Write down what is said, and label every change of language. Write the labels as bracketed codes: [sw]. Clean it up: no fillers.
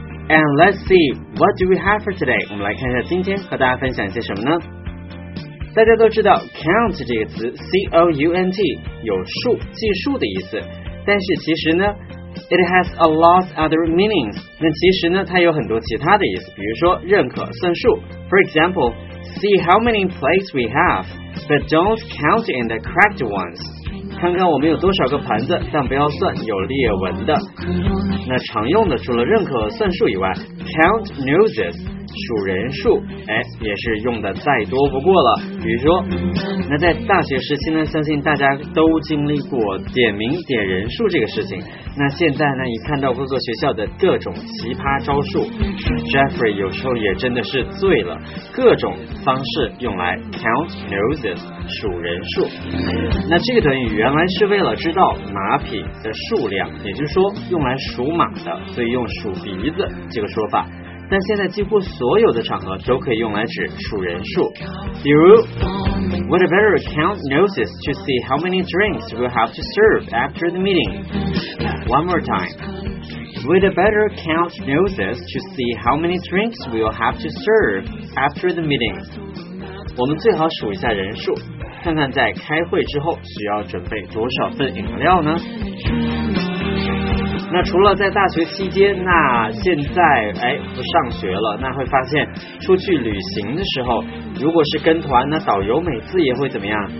[en] And let's see, what do we have for today? [zh] 我们来看一下今天和大家分享一些什么呢？大家都知道 count 这个词 C-O-U-N-T 有数、计数的意思，但是其实呢 [en] It has a lot of other meanings. [zh] 那其实呢，它有很多其他的意思。比如说，认可、算数。 [en] For example, see how many plates we have, but don't count in the correct ones. [zh] 看看我们有多少个盘子，但不要算有裂纹的。那常用的除了认可、算数以外 ，count noses 数人数，哎，也是用的再多不过了。比如说，那在大学时期呢，相信大家都经历过点名点人数这个事情。那现在呢，一看到各个学校的各种奇葩招数 ，Jeffrey 有时候也真的是醉了。各种方式用来 count noses 数人数。那这个短语原来是为了知道马匹的数量，也就是说用来数马的，所以用数鼻子这个说法。但现在几乎所有的场合都可以用来指数人数，比如 [en] ，We'd better count noses to see how many drinks we'll have to serve after the meeting. One more time. We'd better count noses to see how many drinks we'll have to serve after the meeting. [zh] 我们最好数一下人数，看看在开会之后需要准备多少份饮料呢？那除了在大学期间，那现在哎不上学了，那会发现出去旅行的时候，如果是跟团，那导游每次也会怎么样？